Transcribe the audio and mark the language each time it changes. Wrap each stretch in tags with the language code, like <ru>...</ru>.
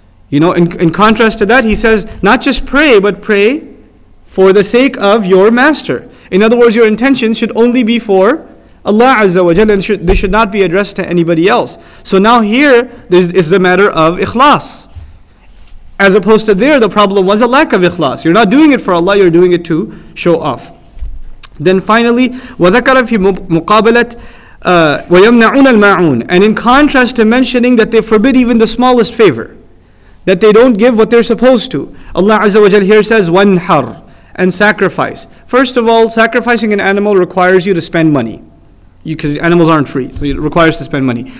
<en>You know, in contrast to that, he says, not just pray, but pray for the sake of your master. In other words, your intention should only be for Allah Azza wa Jalla, and they should not be addressed to anybody else. So now here, this is the matter of ikhlas. As opposed to there, the problem was a lack of ikhlas. You're not doing it for Allah, you're doing it to show off. Then finally,</en> <ar>وَذَكَرَ فِي مُقَابَلَةِ وَيَمْنَعُونَ الْمَعُونَ.</ar> <en>And in contrast to mentioning that they forbid even the smallest favor, that they don't give what they're supposed to, Allah Azza wa Jal here says,</en> <ar>وَانْحَرْ.</ar> <en>And sacrifice. First of all, sacrificing an animal requires you to spend money. Because animals aren't free, so it requires to spend money.</en>